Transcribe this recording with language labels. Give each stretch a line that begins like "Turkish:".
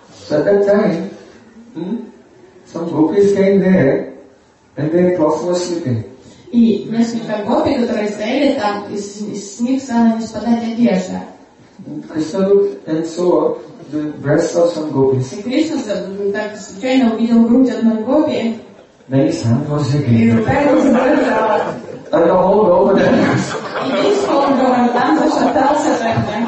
English: At that time, some gopis came there, and their cloth was slipping.
Russian: И несколько гопи, которые стояли там, из них стала не спадать одежда.
English: Krishna looked and saw the breasts of some gopis.
Russian: И Кришна так случайно увидел грудь одной гопи.
English: Then his hand was slipping.
Russian: И рука его задрожала.
English: And the whole Govardhan.
Russian: И весь пол Говардхан зашатался тогда.